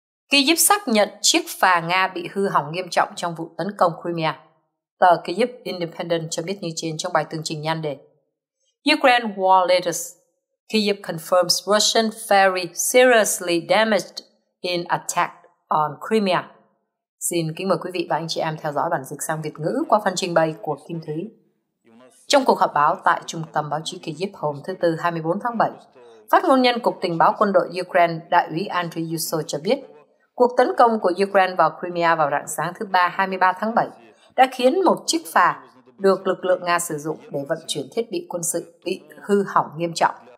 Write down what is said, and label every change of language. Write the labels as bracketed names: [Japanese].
[Vietnamese] Kyiv xác nhận chiếc phà Nga bị hư hỏng nghiêm trọng trong vụ tấn công Crimea. Tờ Kyiv Independent cho biết như trên trong bài tường trình nhan đề. [English] Ukraine War Letters. Kyiv confirms Russian ferry seriously damaged in attack on Crimea. [Vietnamese] Xin kính mời quý vị và anh chị em theo dõi bản dịch sang Việt ngữ qua phần trình bày của Kim Thúy. Trong cuộc họp báo tại Trung tâm Báo chí Kyiv hôm thứ Tư 24 tháng 7, phát ngôn nhân Cục Tình báo Quân đội Ukraine Đại úy Andriy Yuso cho biết, cuộc tấn công của Ukraine vào Crimea vào rạng sáng thứ Ba 23 tháng 7 đã khiến một chiếc phà được lực lượng Nga sử dụng để vận chuyển thiết bị quân sự bị hư hỏng nghiêm trọng.